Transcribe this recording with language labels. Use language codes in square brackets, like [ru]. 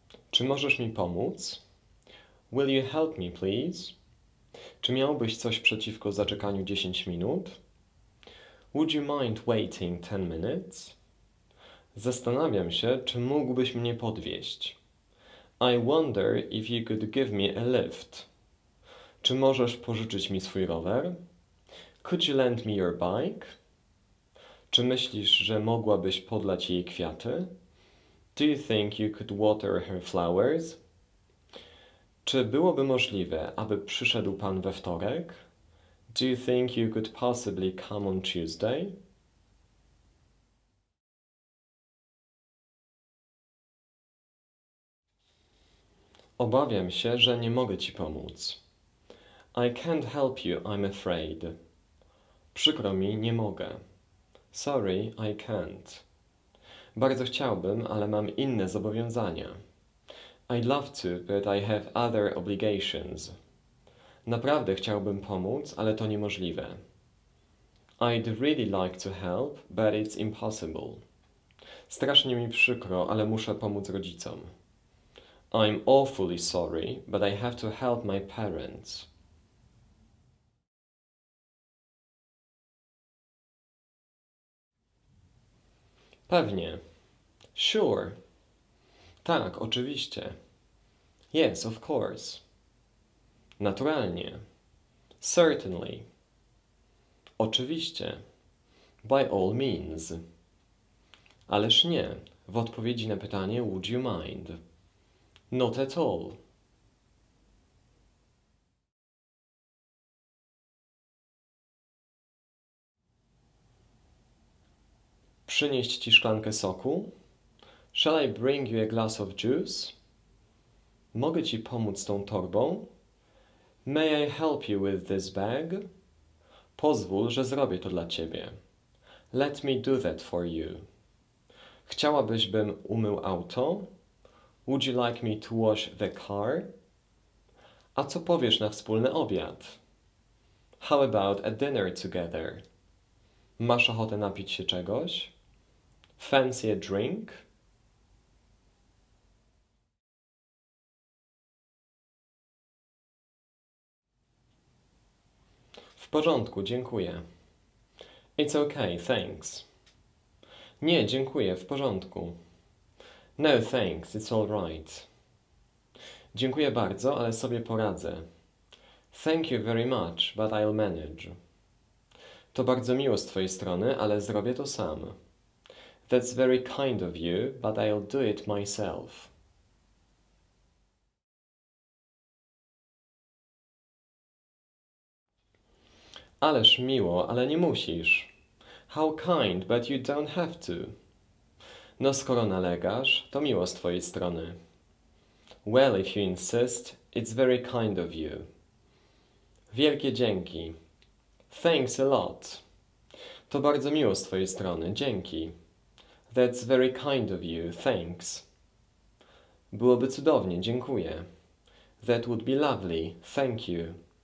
[pl] Czy możesz mi pomóc? [en] Will you help me, please? [pl] Czy miałbyś coś przeciwko zaczekaniu 10 minut? [en] Would you mind waiting 10 minutes? [pl] Zastanawiam się, czy mógłbyś mnie podwieźć. [en] I wonder if you could give me a lift. [pl] Czy możesz pożyczyć mi swój rower? [en] Could you lend me your bike? [pl] Czy myślisz, że mogłabyś podlać jej kwiaty? [en] Do you think you could water her flowers? [pl] Czy byłoby możliwe, aby przyszedł pan we wtorek? [en] Do you think you could possibly come on Tuesday? [pl] Obawiam się, że nie mogę ci pomóc. [en] I can't help you, I'm afraid. [pl] Przykro mi, nie mogę. [en] Sorry, I can't. [pl] Bardzo chciałbym, ale mam inne zobowiązania. [en] I'd love to, but I have other obligations. [pl] Naprawdę chciałbym pomóc, ale to niemożliwe. [en] I'd really like to help, but it's impossible. [pl] Strasznie mi przykro, ale muszę pomóc rodzicom. [en] I'm awfully sorry, but I have to help my parents. [pl] Pewnie. [en] Sure. [pl] Tak, oczywiście. [en] Yes, of course. [pl] Naturalnie. [en] Certainly. [pl] Oczywiście. [en] By all means. [pl] Ależ nie. W odpowiedzi na pytanie [en] would you mind? Not at all. [pl] Przynieść ci szklankę soku? [en] Shall I bring you a glass of juice? [pl] Mogę ci pomóc tą torbą? [en] May I help you with this bag? [pl] Pozwól, że zrobię to dla ciebie. [en] Let me do that for you. [pl] Chciałabyś, bym umył auto? [en] Would you like me to wash the car? [pl] A co powiesz na wspólny obiad? [en] How about a dinner together? [pl] Masz ochotę napić się czegoś? [en] Fancy a drink? [pl] W porządku, dziękuję. [en] It's okay, thanks. [pl] Nie, dziękuję, w porządku. [en] No, thanks, it's all right. [pl] Dziękuję bardzo, ale sobie poradzę. [en] Thank you very much, but I'll manage. [pl] To bardzo miło z twojej strony, ale zrobię to sam. [en] That's very kind of you, but I'll do it myself. [pl] Ależ miło, ale nie musisz. [en] How kind, but you don't have to. [pl] No skoro nalegasz, to miło z twojej strony. [en] Well, if you insist, it's very kind of you. [pl] Wielkie dzięki. [en] Thanks a lot. [pl] To bardzo miło z twojej strony, dzięki. [en] That's very kind of you, thanks. [pl] Byłoby cudownie, dziękuję. [en] That would be lovely, thank you.